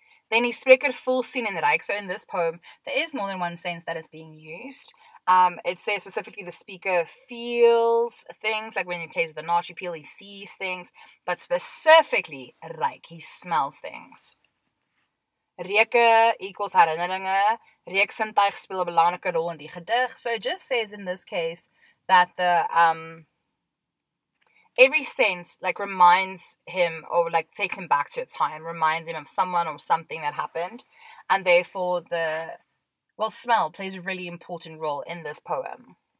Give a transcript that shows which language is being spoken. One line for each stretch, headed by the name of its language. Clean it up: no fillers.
English: Then
Afrikaans: die spreker voel, sien en ruik.
English: So in this poem, there is more than one sense that is being used. It says specifically the speaker feels things, like when he plays with the naartjie peel, he sees things, but specifically ruik, he smells things.
Afrikaans: Reuke equals herinneringe. Reeksintuig speel 'n belangrike rol in die gedig.
English: So it just says in this case that the every sense like reminds him or like takes him back to a time, reminds him of someone or something that happened, and therefore the smell plays a really important role in this poem.